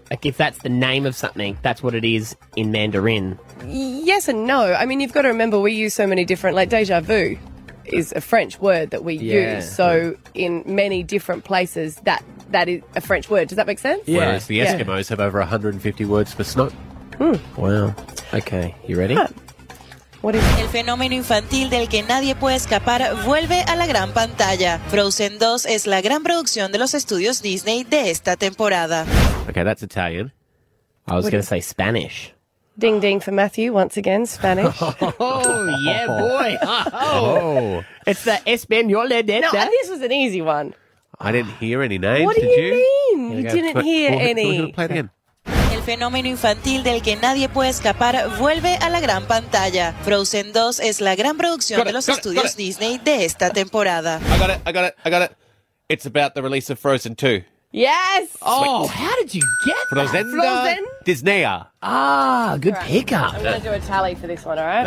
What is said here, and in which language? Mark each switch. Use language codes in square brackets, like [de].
[en] Like if that's the name of something, that's what it is in Mandarin. Yes and no. I mean, you've got to remember we use so many different, like deja vu is a French word that we use. So in many different places, that is a French word. Does that make sense? Yeah. Whereas the Eskimos have over 150 words for snow. Wow. Okay. You ready? [es] El fenómeno infantil del que nadie puede escapar vuelve a la gran pantalla. Frozen 2 es la gran producción de los estudios Disney de esta temporada. [en] Okay, that's Italian. I was going to say Spanish. Ding, ding for Matthew once again, Spanish. Oh, yeah, boy. Oh. It's the [es] Español de Deta. [en] No, this was an easy one. I didn't hear any names, did you? What do you mean? You didn't hear any. We'll play it again. [es] El fenómeno infantil del que nadie puede escapar vuelve a la gran pantalla. Frozen 2 es la gran producción de los estudios Disney de esta temporada. [en] I got it. It's about the release of Frozen 2. Yes. Oh, sweet. How did you get Frozen Frozen Disney. Ah, good right. pickup. I'm going to do a tally for this one, all right?